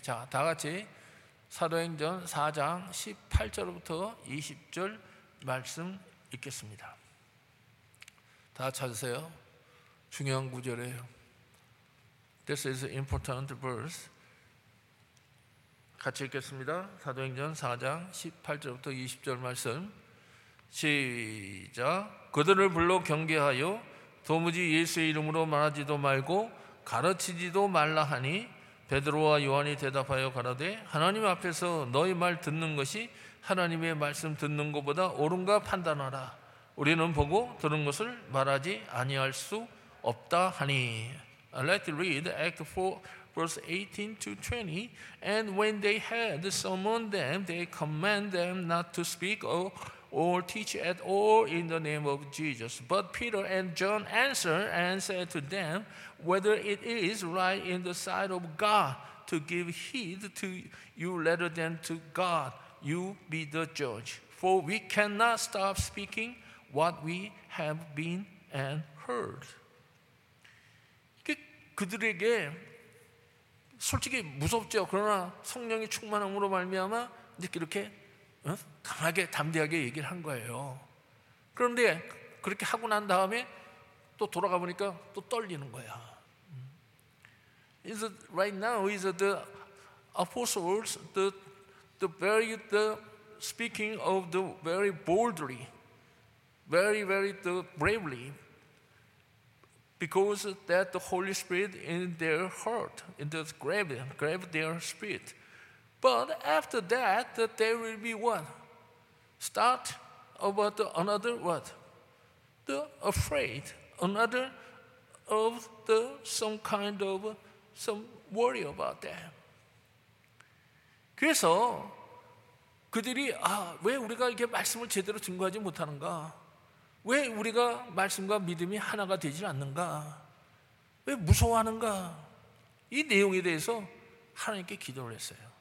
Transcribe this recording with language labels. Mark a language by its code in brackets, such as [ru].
[ko] 자, 다 같이 사도행전 4장 18절부터 20절 말씀 읽겠습니다. 다 찾으세요. 중요한 구절이에요. [en] This is an important verse. [ko] 같이 읽겠습니다. 사도행전 4장 18절부터 20절 말씀 시작. 그들을 불러 경계하여 도무지 예수의 이름으로 말하지도 말고 가르치지도 말라 하니 베드로와 요한이 대답하여 가라되 하나님 앞에서 너희 말 듣는 것이 하나님의 말씀 듣는 것보다 옳은가 판단하라. 우리는 보고 들은 것을 말하지 아니할 수 없다 하니. [en] Let's read Acts 4 verse 18 to 20. And when they had summoned them, they commanded them not to speak or teach at all in the name of Jesus. But Peter and John answered and said to them, whether it is right in the sight of God to give heed to you rather than to God, you be the judge. For we cannot stop speaking what we have been and heard. [ko] 그들에게 솔직히 무섭죠. 그러나 성령이 충만함으로 말미암아 이렇게 강하게 담대하게 얘기를 한 거예요. 그런데 그렇게 하고 난 다음에 또 돌아가 보니까 또 떨리는 거야. [en] Is right now is the apostles the speaking of the very boldly, very the bravely, because that the Holy Spirit in their heart, in the grave their spirit. But after that, there will be what? Start about another what? The afraid, another of the some kind of some worry about them. [ko] 그래서 그들이 아, 왜 우리가 이렇게 말씀을 제대로 증거하지 못하는가? 왜 우리가 말씀과 믿음이 하나가 되질 않는가? 왜 무서워하는가? 이 내용에 대해서 하나님께 기도를 했어요.